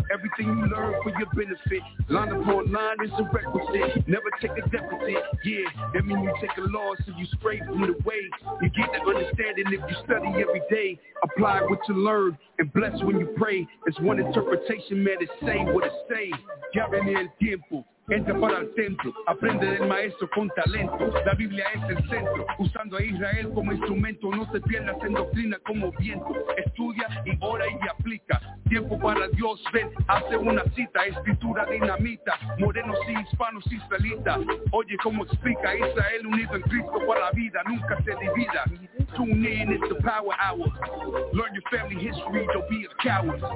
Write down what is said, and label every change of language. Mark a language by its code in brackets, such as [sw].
[en] Everything you learn for your benefit. Line upon line is a requisite. Never take a deficit, yeah. That mean you take a loss and you stray from the way. You get the understanding if you study every day. Apply what you learn and bless when you pray. It's one interpretation, man, it's say what it say. [es] Gavin el tiempo. Entra para el templo, aprende del maestro con talento. La Biblia es el centro, usando a Israel como instrumento. No te pierdas en doctrina como viento. Estudia y ora y aplica. Tiempo para Dios, ven, hace una cita. Escritura dinamita, morenos y hispanos y israelita. Oye cómo explica Israel unido en Cristo para la vida. Nunca se divida. [en] Tune in, it's the power hour. Learn your family history, don't be a coward.